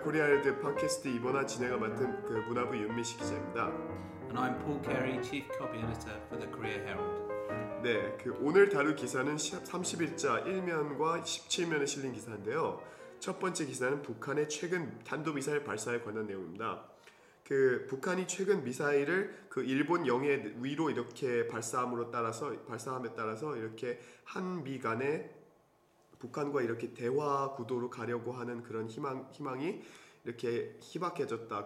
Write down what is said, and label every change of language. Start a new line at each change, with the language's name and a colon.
Korean: 코리아헤드 팟캐스트 이번화 진행을 맡은 그 문화부 윤미식 기자입니다.
English: And I'm Paul Carey, Chief Copy Editor for the Korea Herald.
Korean: 네, 그 오늘 다룰 기사는 31자 1면과 17면에 실린 기사인데요. 첫 번째 기사는 북한의 최근 탄도미사일 발사에 관한 내용입니다. 그 북한이 최근 미사일을 그 일본 영해 위로 이렇게 발사함에 따라서 이렇게 한미 간의 북한과 이렇게 대화 구도로 가려고 하는 그런 희망이 이렇게 희박해졌다.